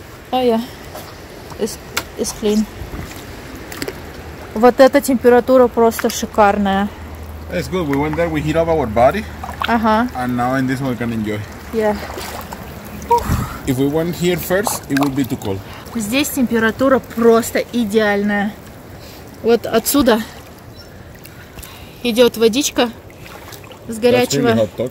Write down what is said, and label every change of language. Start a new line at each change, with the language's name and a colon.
Russian: А я исклин. Вот эта температура просто шикарная.
English: It's good. We went there, we heat up our body. Uh-huh. And now in this one we can enjoy. Yeah. If we went here first, it would be too cold.
Russian: Здесь температура просто идеальная. Вот отсюда идет водичка с горячего.